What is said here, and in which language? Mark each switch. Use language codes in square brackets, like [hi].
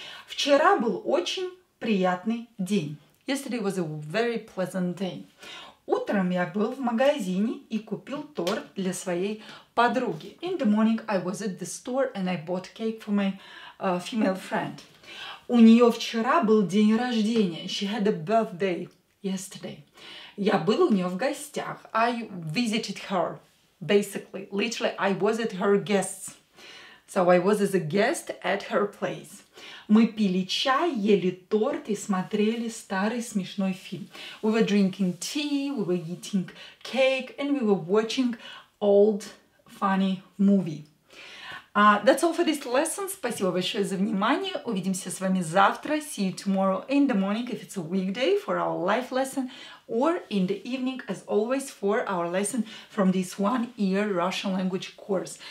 [ru] Вчера был очень приятный день. [en] Yesterday was a very pleasant day. [ru] Утром я был в магазине и купил торт для своей подруги. [en] In the morning I was at the store and I bought cake for my female friend. [ru] У нее вчера был день рождения. [en] She had a birthday yesterday. [ru] Я был у нее в гостях. [en] I visited her, basically. Literally, I was at her guests. So I was as a guest at her place. [ru] Мы пили чай, ели торт и смотрели старый смешной фильм. [en] We were drinking tea, we were eating cake, and we were watching old funny movie. That's all for this lesson. [ru] Спасибо большое за внимание. Увидимся с вами завтра. [en] See you tomorrow in the morning if it's a weekday for our life lesson. Or in the evening, as always, for our lesson from this one-year Russian language course.